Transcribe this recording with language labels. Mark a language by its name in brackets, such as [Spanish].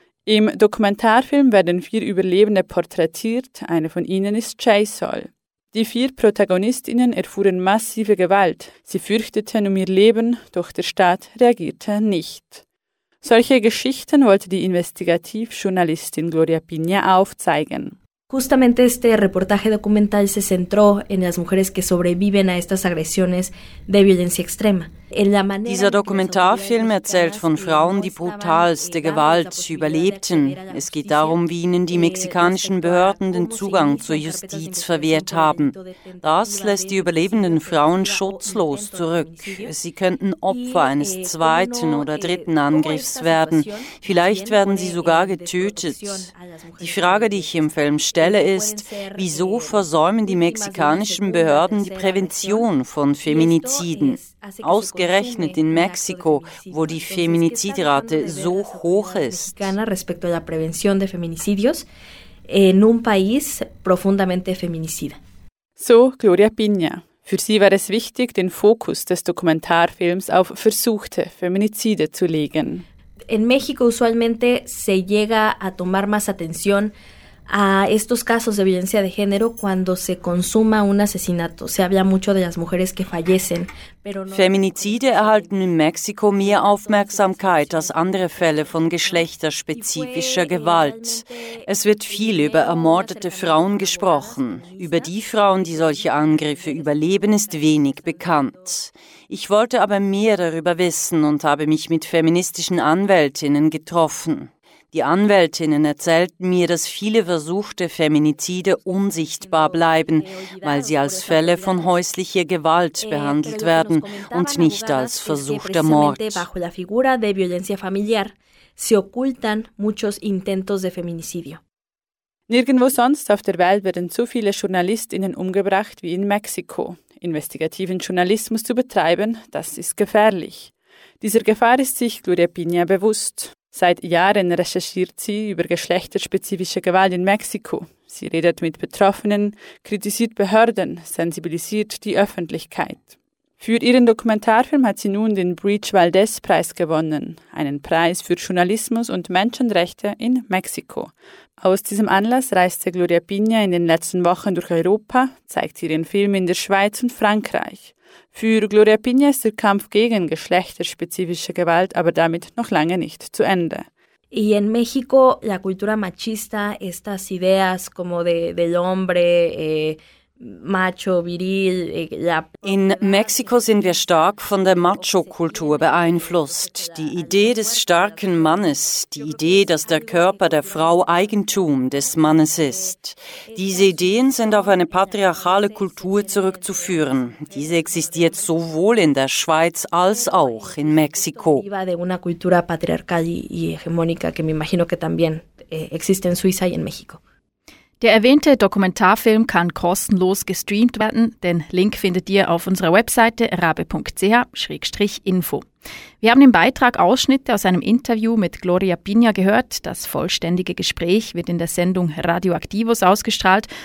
[German] Im Dokumentarfilm werden 4 Überlebende porträtiert, eine von ihnen ist Jay Sol. Die vier Protagonistinnen erfuhren massive Gewalt. Sie fürchteten um ihr Leben, doch der Staat reagierte nicht. Solche Geschichten wollte die Investigativjournalistin Gloria Piña aufzeigen. [Spanish] Justamente este reportaje documental se centró en las mujeres que sobreviven a estas agresiones de violencia extrema. [German] Dieser Dokumentarfilm erzählt von Frauen, die brutalste Gewalt überlebten. Es geht darum, wie ihnen die mexikanischen Behörden den Zugang zur Justiz verwehrt haben. Das lässt die überlebenden Frauen schutzlos zurück. Sie könnten Opfer eines zweiten oder dritten Angriffs werden. Vielleicht werden sie sogar getötet. Die Frage, die ich im Film stelle, ist, wieso versäumen die mexikanischen Behörden die Prävention von Feminiziden? Ausgerechnet in Mexiko, wo die Feminizidrate so hoch ist. [Spanish] Respecto a la prevención de feminicidios en un país profundamente feminicida. [German] So Gloria Piña. Für sie war es wichtig, den Fokus des Dokumentarfilms auf versuchte Feminizide zu legen. [Spanish] En México usualmente se llega a tomar más atención a estos casos de violencia de género cuando se consuma un asesinato. Se habla mucho de las mujeres que fallecen. [German] Feminizide erhalten in Mexiko mehr Aufmerksamkeit als andere Fälle von geschlechterspezifischer Gewalt. Es wird viel über ermordete Frauen gesprochen. Über die Frauen, die solche Angriffe überleben, ist wenig bekannt. Ich wollte aber mehr darüber wissen und habe mich mit feministischen Anwältinnen getroffen. Die Anwältinnen erzählten mir, dass viele versuchte Feminizide unsichtbar bleiben, weil sie als Fälle von häuslicher Gewalt behandelt werden und nicht als versuchter Mord. [Spanish] Bajo la figura de violencia familiar se ocultan muchos intentos de feminicidio. [German] Nirgendwo sonst auf der Welt werden so viele Journalistinnen umgebracht wie in Mexiko. Investigativen Journalismus zu betreiben, das ist gefährlich. Dieser Gefahr ist sich Gloria Piña bewusst. Seit Jahren recherchiert sie über geschlechterspezifische Gewalt in Mexiko. Sie redet mit Betroffenen, kritisiert Behörden, sensibilisiert die Öffentlichkeit. Für ihren Dokumentarfilm hat sie nun den Breach Valdez-Preis gewonnen, einen Preis für Journalismus und Menschenrechte in Mexiko. Aus diesem Anlass reiste Gloria Piña in den letzten Wochen durch Europa, zeigt ihren Film in der Schweiz und Frankreich. Für Gloria Piña ist der Kampf gegen geschlechterspezifische Gewalt aber damit noch lange nicht zu Ende. [Spanish] Y en México la cultura machista, estas ideas como del hombre macho, viril, [German] In Mexiko sind wir stark von der Macho-Kultur beeinflusst. Die Idee des starken Mannes, die Idee, dass der Körper der Frau Eigentum des Mannes ist. Diese Ideen sind auf eine patriarchale Kultur zurückzuführen. Diese existiert sowohl in der Schweiz als auch in Mexiko. [Spanish] De una cultura patriarcal y hegemónica que me imagino que también existe en Suiza y en México. [German] Der erwähnte Dokumentarfilm kann kostenlos gestreamt werden. Den Link findet ihr auf unserer Webseite rabe.ch/info. Wir haben im Beitrag Ausschnitte aus einem Interview mit Gloria Piña gehört. Das vollständige Gespräch wird in der Sendung Radioaktivos ausgestrahlt.